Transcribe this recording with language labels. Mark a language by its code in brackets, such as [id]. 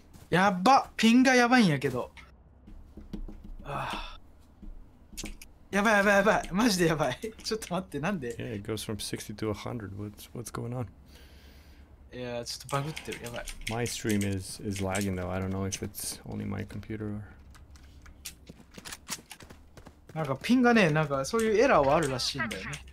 [ja] やば、ピンがやばいんやけど。やばいやばいやばい、マジでやばい。ちょっと待って、なんで [en] ？Yeah, it goes from 60 to 100. What's going on? [ja] いや、ちょっとバグってる、やばい。 [en] My stream is lagging though. I don't know if it's only my computer or... [ja] なんかピンがね、なんかそういうエラーはあるらしいんだよね。